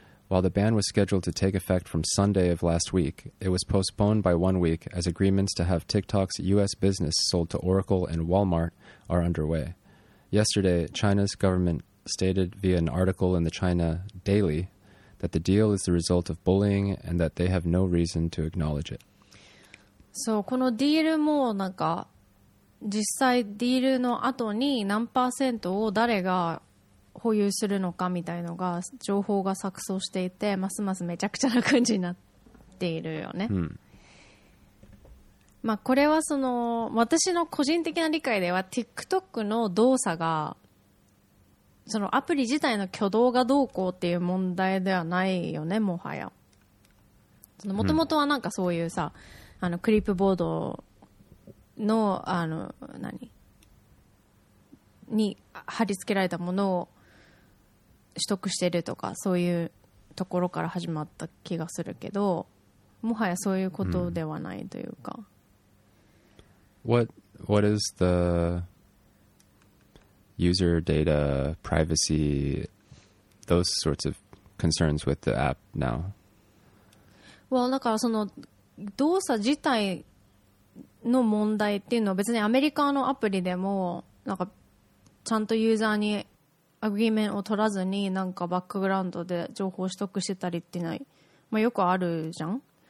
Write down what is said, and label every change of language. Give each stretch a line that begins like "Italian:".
English: While the ban was scheduled to take effect from Sunday of last week, it was postponed by 1 week as agreements to have TikTok's U.S. business sold to Oracle and Walmart are underway. Yesterday, China's government stated via an article in the China Daily that the deal is the result of bullying and that they have no reason to acknowledge it.
Japanese: So, このディールもなんか実際ディールの後に何パーセントを誰が保有するのかみたいのが情報が錯綜していて、ますますめちゃくちゃな感じになっているよね。うん、まあこれはその私の個人的な理解では TikTok の動作がそのアプリ自体の挙動がどうこうっていう問題ではないよね、もはや。もともとはなんかそういうさ、うん、あのクリップボードのあの何に貼り付けられたものを取得してるとかそういうところから始まった気がするけど、もはやそういうことではないというか。
English: What is the user data privacy, those sorts of concerns with the app now?
Japanese: Well, だからその動作自体の問題っていうのは別にアメリカのアプリでもなんかちゃんとユーザーにアグリーメントを取らずになんかバックグラウンドで情報取得してたりっていうのは、まあ、よくあるじゃん。